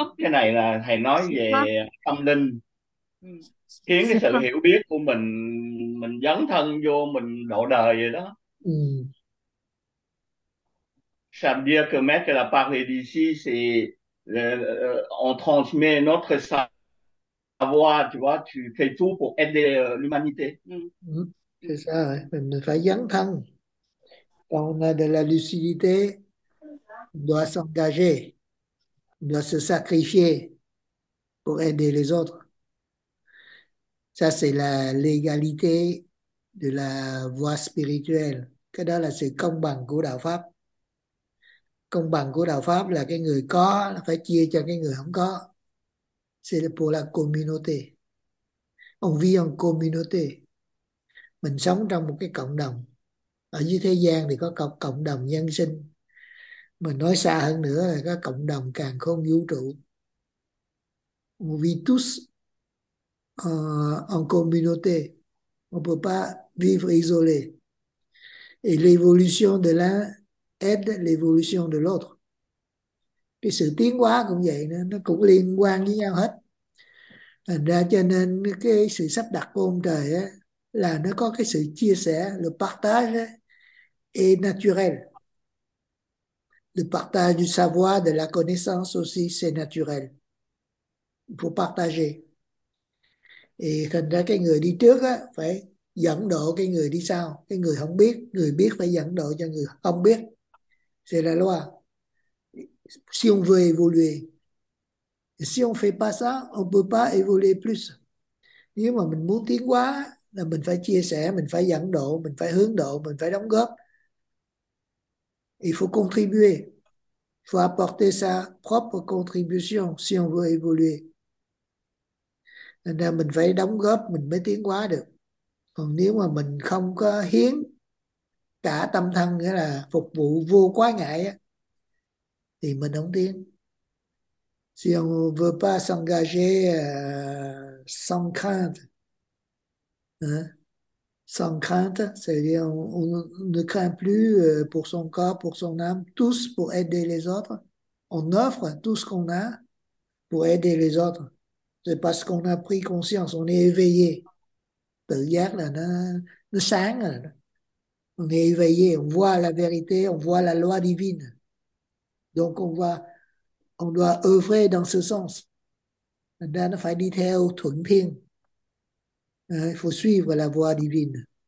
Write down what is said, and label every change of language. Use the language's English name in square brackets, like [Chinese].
[Vietnamese] Này là thầy nói về tâm linh, khiến cái sự hiểu biết của mình dấn thân vô mình độ đời vậy đó. [French] Ça veut dire que mettre la parole d'ici, c'est on transmet notre savoir. Avoir, tu vois, tu fais tout pour aider l'humanité. C'est ça, [Vietnamese] mình phải dấn thân. [French] On a de la lucidité, on doit s'engager, on doit se sacrifier pour aider les autres. Ça, c'est la légalité de la voie spirituelle. [Vietnamese] Cái đó là sự công bằng của Đạo Pháp. Công bằng của Đạo Pháp là cái người có phải chia cho cái người không có. [French] C'est pour la communauté. On vit en communauté. [Vietnamese] Mình sống trong một cái cộng đồng. Ở dưới thế gian thì có cộng đồng nhân sinh, mà nói xa hơn nữa là có cộng đồng càn khôn vũ trụ. [French] Vi tous en communauté, on peut pas vivre isolé. Et l'évolution de l'un aide l'évolution de l'autre. [Vietnamese] Cái sự tiến hóa cũng vậy nữa, nó cũng liên quan với nhau hết. Thành ra cho nên cái sự sắp đặt của ông trời á, là nó có cái sự chia sẻ, [French] le partage est naturel. Le partage du savoir, de la connaissance aussi, c'est naturel. Il faut partager. [Vietnamese] Et thành ra cái người đi trước á, phải dẫn độ cái người đi sau. Cái người không biết, người biết phải dẫn độ cho người không biết. [French] C'est la loi. Si on veut évoluer. Si on fait pas ça, on peut pas évoluer plus. [Vietnamese] Nếu mà mình muốn tiến hóa, là mình phải chia sẻ, mình phải dẫn độ, mình phải hướng độ, mình phải đóng góp. [French] Il faut contribuer. Il faut apporter sa propre contribution si on veut évoluer. [Vietnamese] Nên là mình phải đóng góp mình mới tiến hóa được. Còn nếu mà mình không có hiến cả tâm thân, nghĩa là phục vụ vô quá ngại á, thì mình không tiến. [French] Si on veut pas s'engager sans crainte. Sans crainte, c'est-à-dire on ne craint plus pour son corps, pour son âme, tous pour aider les autres. On offre tout ce qu'on a pour aider les autres. C'est parce qu'on a pris conscience, on est éveillé. [Vietnamese] Tự giác là nó sáng rồi. [French] On est éveillé, on voit la vérité, on voit la loi divine. Donc on doit œuvrer dans ce sens. [Vietnamese] Là nó phải đi theo thuận thiên. [French] Il faut suivre la voie divine.